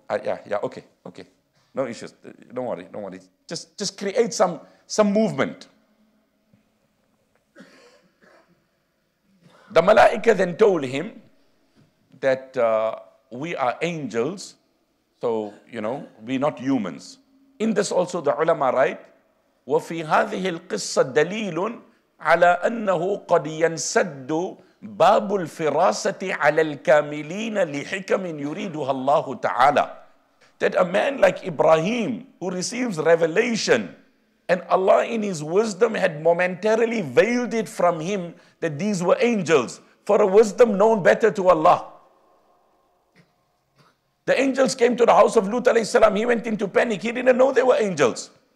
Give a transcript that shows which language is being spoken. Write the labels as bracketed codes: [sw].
[en] Okay. No issues. Don't worry. Just create some movement. The malaika then told him that we are angels. So, you know, we're not humans. In this also, the ulama write, [ar] وَفِي هَذِهِ الْقِصَّةِ دَلِيلٌ عَلَىٰ أَنَّهُ قَدْ يَنْسَدُّ بَابُ الْفِرَاسَةِ عَلَىٰ الْكَامِلِينَ لِحِكَمٍ يُرِيدُهَ اللَّهُ تَعَالَىٰ. [en] That a man like Ibrahim, who receives revelation, and Allah in his wisdom had momentarily veiled it from him that these were angels, for a wisdom known better to Allah. The angels came to the house of Lut alayhi salam. He went into panic. He didn't know they were angels.